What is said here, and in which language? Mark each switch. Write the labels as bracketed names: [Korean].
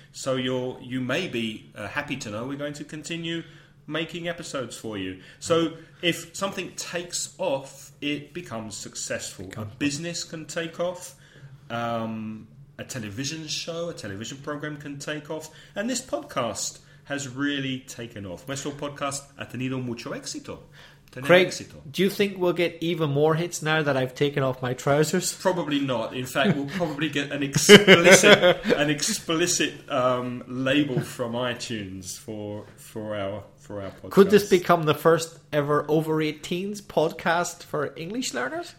[English] So you may be happy to know we're going to continue making episodes for you. So if something takes off, it becomes successful. A business can take off. A television show, a television program can take off. And this podcast has really taken off. [Spanish] Nuestro podcast ha tenido mucho éxito. [English] Craig, do you think we'll get even more hits now that I've taken off my trousers? Probably not. In fact, we'll probably get an explicit label from iTunes for our podcast. Could this become the first ever over 18s podcast for English learners?